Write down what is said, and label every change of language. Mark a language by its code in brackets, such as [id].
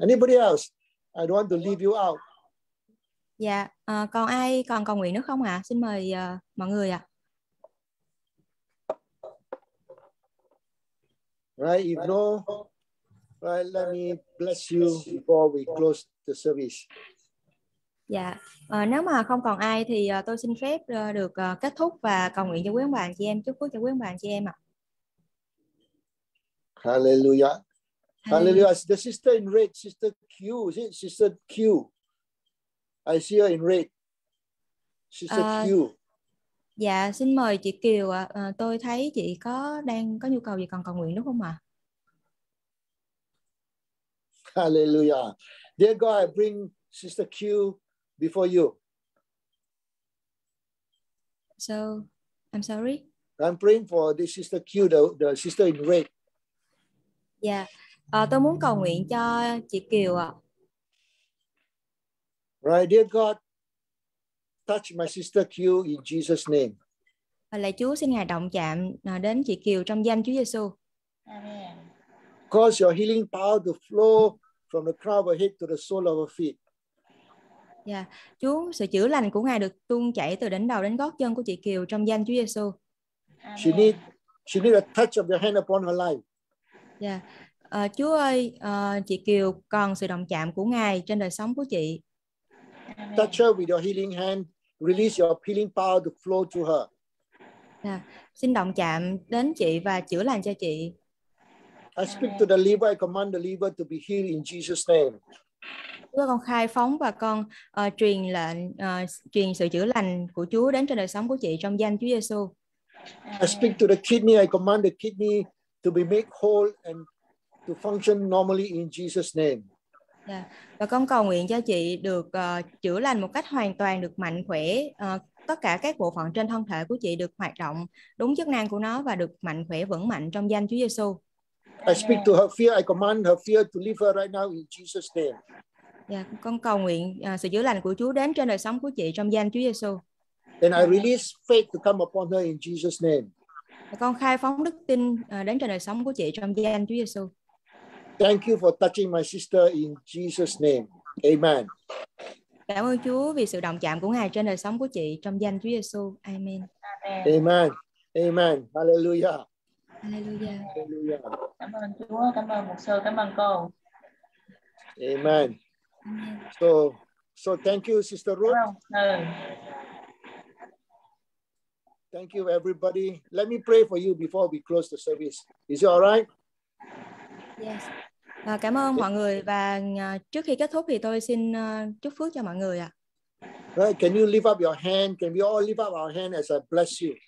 [en] Anybody else? I don't want to leave you out. [vi] Dạ, còn ai còn cầu nguyện nữa không ạ? Xin mời mọi người ạ. [en] Right, if no, right, let me bless you before we close the service. [vi] Dạ, nếu mà không còn ai thì tôi xin phép được kết thúc và cầu nguyện cho quý ông bà chị em, chúc phước cho quý ông bà chị em ạ. [en] Hallelujah. Hallelujah. The sister in red, Sister Q, is it? Sister Q. I see her in red. Sister Q. [vi] Dạ, xin mời chị Kiều ạ. Tôi thấy chị có đang có nhu cầu gì còn cầu nguyện đúng không ạ? [en] Hallelujah. Dear God, I bring Sister Q before you. So, I'm sorry. I'm praying for this Sister Q, the sister in red. [vi] Dạ. Tôi muốn cầu nguyện cho chị Kiều ạ. [en] Right, dear God, touch my sister Q in Jesus' name. [vi] Và lạy Chúa, xin Ngài động chạm đến chị Kiều trong danh Chúa Giêsu. [en] Amen. Cause your healing power to flow from the crown of her head to the sole of her feet. [vi] Yeah, Chúa, sự chữa lành của Ngài được tuôn chảy từ đỉnh đầu đến gót chân của chị Kiều trong danh Chúa Giêsu. [en] She need a touch of your hand upon her life. Yeah. [vi] Chúa ơi, chị Kiều còn sự động chạm của Ngài trên đời sống của chị. [en] Touch her with your healing hand, release your healing power to flow to her. [vi] Xin động chạm đến chị và chữa lành cho chị. [en] I speak to the liver, I command the liver to be healed in Jesus' name. [vi] Chúa, con khai phóng và con truyền lệnh, truyền sự chữa lành của Chúa đến trên đời sống của chị trong danh Chúa Giêsu. [en] I speak to the kidney, I command the kidney to be made whole and to function normally in Jesus' name. Yeah. [vi] Và con cầu nguyện cho chị được chữa lành một cách hoàn toàn, được mạnh khỏe, tất cả các bộ phận trên thân thể của chị được hoạt động đúng chức năng của nó và được mạnh khỏe vững mạnh trong danh Chúa Giêsu. [en] I speak to her fear, I command her fear to leave her right now in Jesus' name. Yeah. [vi] Con cầu nguyện sự chữa lành của Chúa đến trên đời sống của chị trong danh Chúa Giêsu. [en] And I release faith to come upon her in Jesus' name. [vi] Và con khai phóng đức tin đến trên đời sống của chị trong danh Chúa Giêsu. [en] Thank you for touching my sister in Jesus' name. Amen. [vi] Cảm ơn Chúa vì sự động chạm của Ngài trên đời sống của chị trong danh Chúa Giêsu. [en] Amen. Amen. Amen. Hallelujah. Hallelujah. Hallelujah. [vi] Cảm ơn Chúa, cảm ơn mục sư, cảm ơn cô. [en] Amen. Amen. So thank you, Sister Ruth. Thank you, everybody. Let me pray for you before we close the service. Is it all right? Yes. [vi] Cảm ơn mọi người và trước khi kết thúc thì tôi xin chúc phước cho mọi người ạ. [en] Right, can you lift up your hand? Can we all lift up our hand as I bless you?